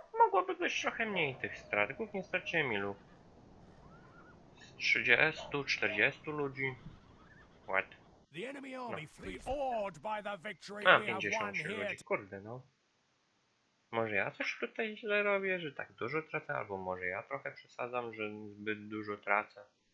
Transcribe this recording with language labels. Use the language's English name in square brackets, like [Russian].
[Polish] mogłoby być trochę mniej tych strat, głównie straciłem ilu? Z 30-40 ludzi. [English] What? The enemy army free awed by the victory. [Polish] A, 53 ludzi, kurde no. Może ja coś tutaj źle robię, że tak dużo tracę, albo może ja trochę przesadzam, że zbyt dużo tracę.